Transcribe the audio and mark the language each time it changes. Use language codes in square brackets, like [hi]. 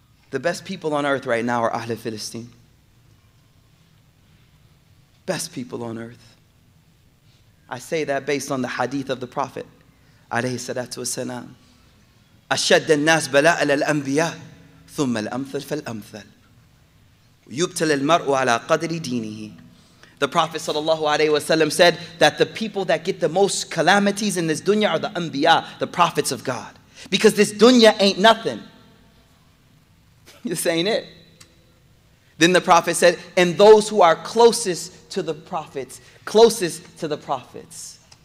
[en] The best people on earth right now are Ahle Philistine. Best people on earth. I say that based on the hadith of the Prophet, alayhi salatu wasalam. [ar] أشد الناس بلاء للأنبياء ثم الأمثل فالأمثل. يُبْتَلَى الْمَرْءُ عَلَى قَدْرِ دِينِهِ. [en] The Prophet sallallahu alayhi wa sallam said that the people that get the most calamities in this dunya are the anbiya, the prophets of God. Because this dunya ain't nothing. This ain't it. Then the Prophet said, and those who are closest to the prophets, closest to the prophets.